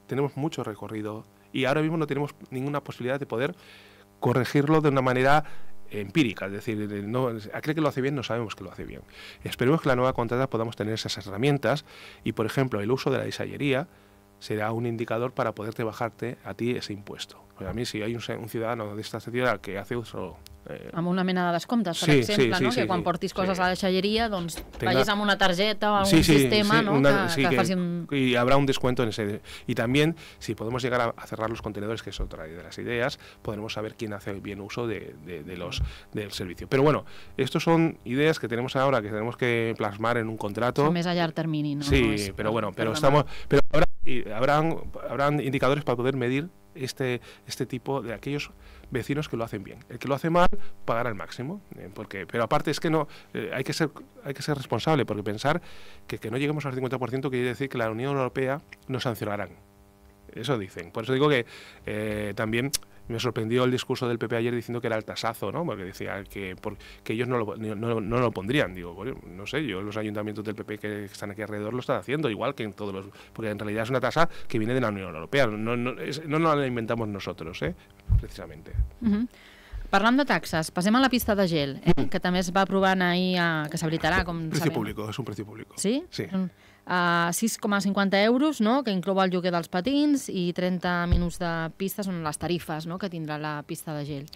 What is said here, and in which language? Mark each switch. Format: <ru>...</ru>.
<es>Tenemos mucho recorrido y ahora mismo no tenemos ninguna posibilidad de poder corregirlo de una manera empírica. Es decir, no, cree que lo hace bien, no sabemos que lo hace bien. Esperemos que la nueva contrata podamos tener esas herramientas y, por ejemplo, el uso de la disallería será un indicador para poderte bajarte a ti ese impuesto. Pues a mí, si hay un ciudadano de esta ciudad que hace uso...</es> <ca>amb una mena de descomptes, per exemple, portis coses a la deixalleria, doncs vagis amb una targeta o algun sistema que faci... I hi haurà un</ca> <es>descuento en ese...</es> <ca>I també, si podem</ca> <es>llegar a cerrar los contenedores, que és otra</es> <ca>de les idees,</ca> <es>podremos saber quién hace bien uso del servicio. Però bueno, estos son ideas que tenemos ahora, que tenemos que plasmar en un contrato.</es> <ca>A més, a llarg termini, no?</ca> <es>Sí, però bueno, però estamos... Però habrán indicadores para poder medir este tipo de aquellos vecinos que lo hacen bien. El que lo hace mal pagará el máximo, pero aparte es que no hay que ser responsable, porque pensar que no lleguemos al 50% quiere decir que la Unión Europea nos sancionarán. Eso dicen. Por eso digo que también me sorprendió el discurso del PP ayer diciendo que era el tasazo, ¿no? Porque decía que ellos no lo pondrían. Digo, bueno, no sé, yo los ayuntamientos del PP que están aquí alrededor lo están haciendo, igual que en todos los... Porque en realidad es una tasa que viene de la Unión Europea. No la inventamos nosotros, precisamente. Mm-hmm.</es> <ca>Parlant de taxes, passem a la pista de gel, que també es va aprovant ahir, que s'habilitarà, com sabem.</ca> <es>Precio público, és un precio público. Sí? Sí.</es> <ca>6,50 euros, no?, que inclou el lloguer dels patins i 30 minuts de pista són les tarifes, no?, que tindrà la pista de gel.</ca>